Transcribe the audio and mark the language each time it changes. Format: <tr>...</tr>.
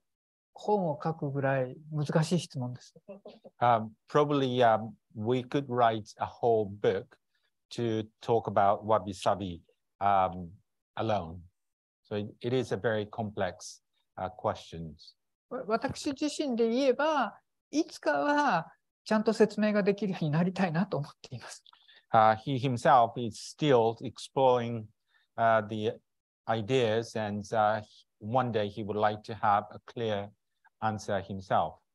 <ja>はい、これも非常に難しい質問です。わびさびだけで本を書くぐらい難しい質問です。</ja> <en>Probably we could write a whole book to talk about wabi-sabi alone. So it is a very complex question.</en> <ja>私自身で言えば、 いつかはちゃんと説明ができるようになりたいなと思っています。</ja> <en>He himself is still exploring the ideas and one day he would like to have a clear answer himself.</en>